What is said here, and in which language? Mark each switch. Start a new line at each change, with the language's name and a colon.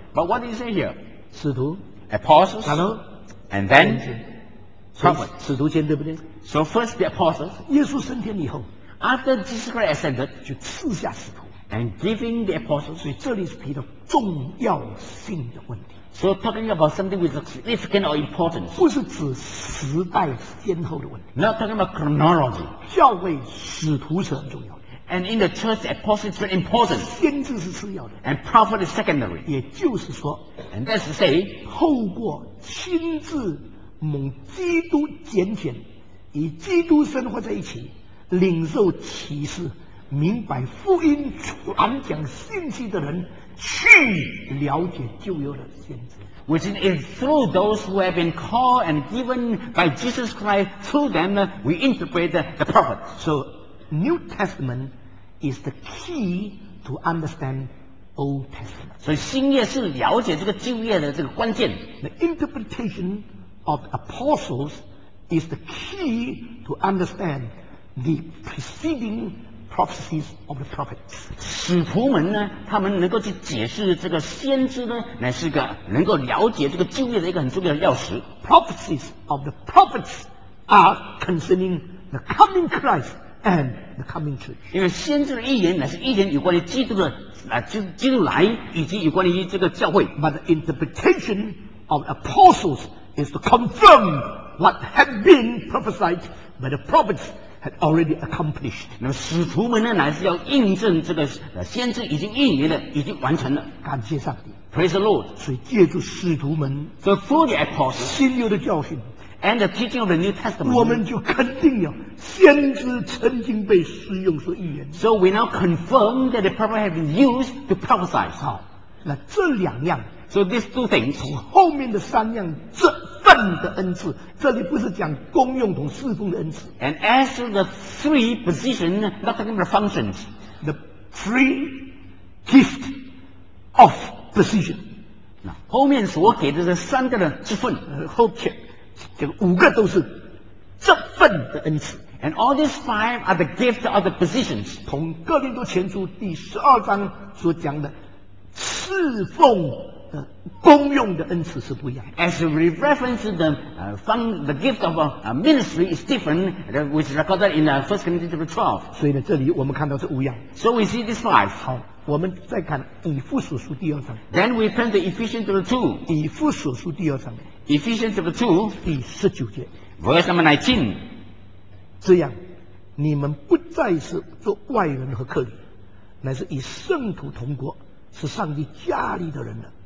English: ？But what do you say here？
Chinese: 使徒
English: ，apostles，
Chinese: 然后
English: ，and then
Chinese: prophet， 使徒先，对不对
English: ？So first the apostles。
Chinese: 耶稣升天以后
English: ，after Jesus Christ ascended，
Chinese: 就赐下使徒。
English: And giving the apostles，
Chinese: 所以这里是提到重要性的问题。
English: So talking about something with significant or important，
Chinese: 不是指时代先后的问题。
English: Not talking about chronology，
Chinese: 教会使徒是很重要的。
English: And in the church, apostles are important，
Chinese: 先知是次要的。
English: And prophet is secondary，
Chinese: 也就是说
English: ，And that's to say，
Chinese: 透过亲自蒙基督拣选，与基督生活在一起，领受启示。明白福音传讲信息的人去了解旧约的先知
English: which is through those who have been called and given by Jesus Christ through them we interpret the prophet so New Testament is the key to understand Old Testament
Chinese: 所以新约是了解这个旧约的这个关键
English: the interpretation of apostles is the key to understand the precedingprophecies of the prophets
Chinese: 使徒们呢他们能够去解释这个先知呢乃是个能够了解这个旧约的一个很重要的钥匙
English: prophecies of the prophets are concerning the coming Christ and the coming church
Chinese: 因为先知的预言乃是预言有关于基督的基督来以及有关于这个教会
English: but the interpretation of apostles is to confirm what had been prophesied by the prophetsHad already accomplished.
Chinese: 那使徒们呢，乃是要印证这个先知已经预言的，已经完成了。感谢上帝
English: ，Praise the Lord.
Chinese: 所以借助使徒们
English: ，So through the apostles，
Chinese: 新约的教训
English: ，and the teaching of the New Testament，
Chinese: 我们就肯定了先知曾经被使用所预言。
English: So we now confirm that the prophet have been used to prophesy.
Chinese: 好，那这两样，So these two things，从后面的三样这。份的恩赐，这里不是讲功用同侍奉的恩赐。
English: And as the three position, not talking about functions, the three gift of position.
Chinese: 那后面所给的这三个的职分，后面这个五个都是这份的恩赐。
English: And all these five are the gift of the positions.
Chinese: 同哥林多前书第十二章所讲的侍奉。功用的恩赐是不一样的。
English: As we reference the the gift of a ministry is different, which is recorded in First Corinthians chapter 12.
Chinese: 所以呢，这里我们看到是五样。
English: So we see these five.
Chinese: 好，我们再看以弗所书第二章。
English: Then we turn to Ephesians chapter 2.
Chinese: 以弗所书第二章。
English: Ephesians chapter 2.
Chinese: 第十九节。
English: Verse number 19.
Chinese: 这样，你们不再是做外人和客旅，乃是与圣徒同国，是上帝家里的人了。